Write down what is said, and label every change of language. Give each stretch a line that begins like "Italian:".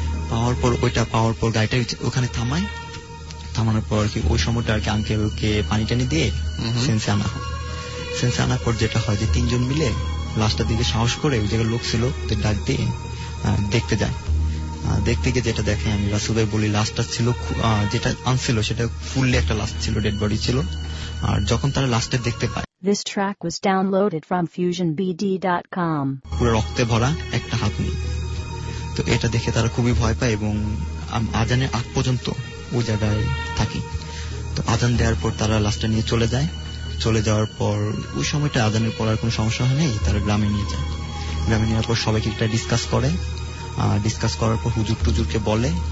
Bangla: পাওয়ার পর ওইটা পাওয়ার পর গাড়িটা ওখানে থামায়। থামানোর পর আর কি ওই সময়টা আর কি আঙ্কেলকে পানি টানি দিয়ে সেন্সে আনা হয়। সেন্সে আনার পর যেটা হয় যে 3 জন মিলে লাশটা দিকে সাহস করে ওই জায়গায় লোক ছিল ডাক দিয়ে দেখতে যায়। দেখতে গিয়ে যেটা দেখে আমি রাসুদাই বলি লাশটা ছিল যেটা আনছিল সেটা ফুললি একটা লাশ ছিল, ডেড বডি ছিল। আর যখন তারা লাশটা দেখতে পায়
English: This track was downloaded from fusionbd.com.
Bangla: পুরো রক্তে ভরা একটা হাত নেই। তো এটা দেখে তারা খুবই ভয় পায় এবং আজানের আগ পর্যন্ত ওই জায়গায় থাকি। তো আজান দেওয়ার পর তারা লাশটা নিয়ে চলে যায়। চলে যাওয়ার পর ওই সময়টা আজানের পর আর কোনো সমস্যা হয় নাই, তারা গ্রামে নিয়ে যায়। গ্রামে নেওয়ার পর সবাইকে একটা ডিসকাস করে। ডিসকাস করার পর হুজুর টুজুরকে বলে।